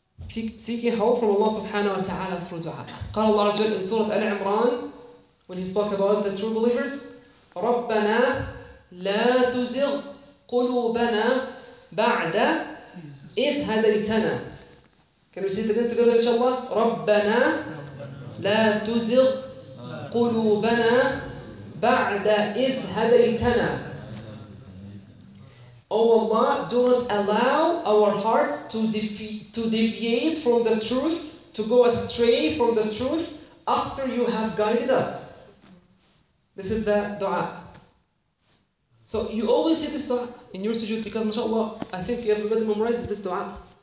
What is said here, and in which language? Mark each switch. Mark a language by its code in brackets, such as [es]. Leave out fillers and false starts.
[en] Seeking help from Allah subhanahu wa ta'ala through dua. Qala Allah Azza wa Jal in Surah Al-Imran, when He spoke about the true believers, [ar] رَبَّنَا لَا تُزِغْ قُلُوبَنَا بَعْدَ إِذْ هَدَيْتَنَا. [en] Can we say it again together inshaAllah? [ar] رَبَّنَا لَا تُزِغْ قلوبنا بعد إذ هديتنا. [en] Oh Allah, do not allow our hearts to deviate from the truth, to go astray from the truth after you have guided us. This is the dua. So you always say this dua in your sujood because mashallah, I think you have already memorized this dua.